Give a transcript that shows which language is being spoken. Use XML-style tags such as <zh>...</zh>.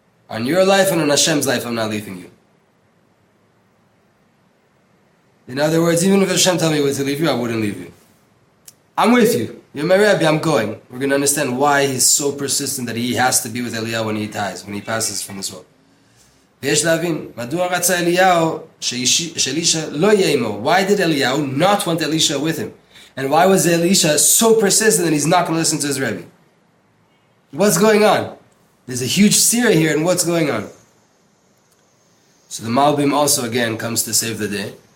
<en>On your life and on Hashem's life, I'm not leaving you. In other words, even if Hashem told me to leave you, I wouldn't leave you. I'm with you. You're my Rabbi, I'm going. We're going to understand why he's so persistent that he has to be with Eliyahu when he dies, when he passes from this world.</en> <he>ויש להבין, מדוע רצה אליהו שאלישה לא יהיה עמו?</he> <en>Why did Eliyahu not want Elisha with him? And why was Elisha so persistent that he's not going to listen to his Rebbe? What's going on? There's a huge seer here, and what's going on? So the Malbim also again comes to save the day.</en>